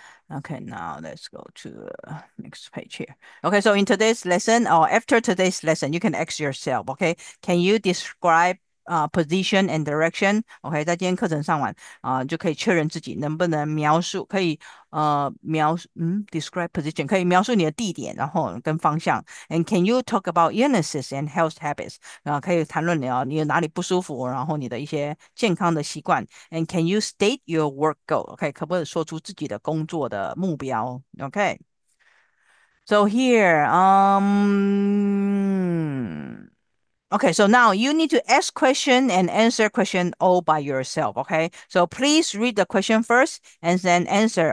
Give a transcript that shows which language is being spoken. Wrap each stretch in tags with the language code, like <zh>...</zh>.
<en>Okay, now let's go to the next page here. Okay, so in today's lesson, or after today's lesson, you can ask yourself, okay, can you describe position and direction?</en> <zh>Okay, 在今天课程上完，就可以确认自己能不能描述，可以描述，</zh> <en>describe position,</en> <zh>可以描述你的地点，然后跟方向.</zh> <en>And can you talk about illnesses and health habits?</en> <zh>可以谈论你哪里不舒服，然后你的一些健康的习惯.</zh> <en>And can you state your work goal? Okay,</en> <zh>可不可以说出自己的工作的目标?</zh> <en>Okay, so here, okay, so now you need to ask question and answer question all by yourself, okay? So please read the question first and then answer.</en>